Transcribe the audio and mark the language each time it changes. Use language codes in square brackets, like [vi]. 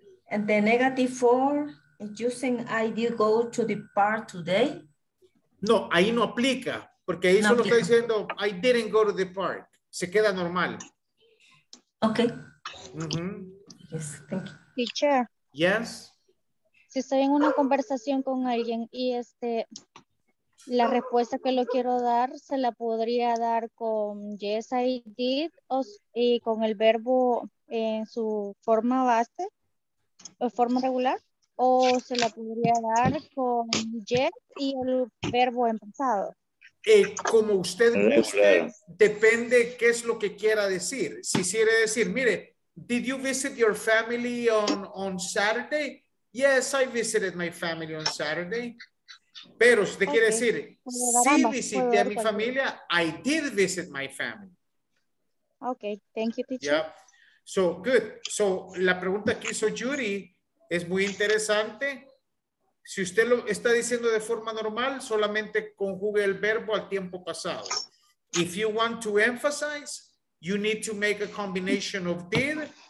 [en] And the negative form is using I did go to the park today. [es] No, ahí no aplica, porque ahí no solo aplica. Está diciendo [en] I didn't go to the park. [es] Se queda normal. [en] Okay. Mm-hmm. Yes, thank you. Teacher. Yes. [es] Si estoy en una conversación con alguien y la respuesta que lo quiero dar, se la podría dar con [en] yes, I did, [es] o, y con el verbo en su forma base, o forma regular, o se la podría dar con yes y el verbo en pasado. Como usted guste, depende qué es lo que quiera decir. Si quiere decir, mire, [en] did you visit your family on Saturday? Yes, I visited my family on Saturday. [es] Pero si usted [en] okay. [es] quiere decir, sí visité a mi familia, [en] I did visit my family. Okay, thank you, teacher. Yeah. So, good. [es] So, la pregunta que hizo Yuri es muy interesante. Si usted lo está diciendo de forma normal, solamente conjugue el verbo al tiempo pasado. [en] If you want to emphasize, you need to make a combination of did